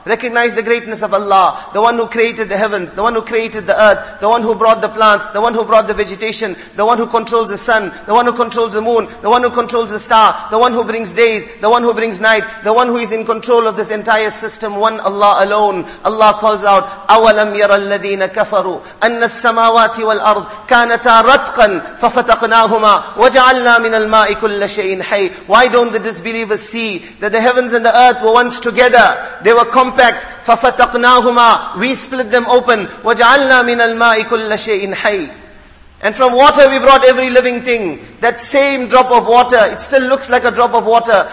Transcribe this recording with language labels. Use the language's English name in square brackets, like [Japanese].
[English] Recognize the greatness of Allah, the one who created the heavens, the one who created the earth, the one who brought the plants, the one who brought the vegetation, the one who controls the sun, the one who controls the moon, the one who controls the star, the one who brings days, the one who brings night, the one who is in control of this entire system, one Allah alone. [Arabic] Allah calls out, أَوَلَمْ يَرَى الَّذِينَ كَفَرُوا أَنَّ السَّمَاوَاتِ وَالْأَرْضِ كَانَتَا رَتْقًا فَفَتَقْنَاهُمَا وَجَعَلْنَا مِنَ الْمَاءِ كُلَّ شَيْءٍ حَيٍّ. [English] Why don't the disbelievers see that the heavens and the earth were once together? They were compact. فَفَتَقْنَاهُمَا. We split them open. [Arabic] وَجَعَلْنَا مِنَ الْمَاءِ كُلَّ شَيْءٍ حَيٍّ. [English] And from water we brought every living thing. That same drop of water, it still looks like a drop of water.